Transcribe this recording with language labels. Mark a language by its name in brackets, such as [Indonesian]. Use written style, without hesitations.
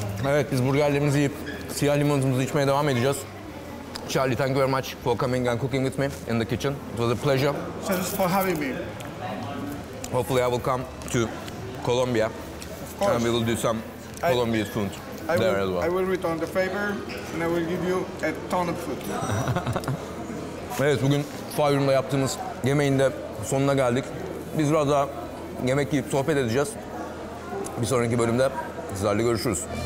[Turkish] Evet, biz burgerlerimizi yiyip siyah limonumuzu içmeye devam edeceğiz. [English] Charlie, thank you very much for coming and cooking with me in the kitchen. It was a pleasure. Thanks for having me. Hopefully I will come to Colombia. Of course. And we will do some Colombian food there as well. I will return the favor and I will give you a ton of food. [Turkish] Evet, bugün Fire Room'da yaptığımız yemeğin de sonuna geldik. Biz biraz daha yemek yiyip sohbet edeceğiz. Bir sonraki bölümde sizlerle görüşürüz.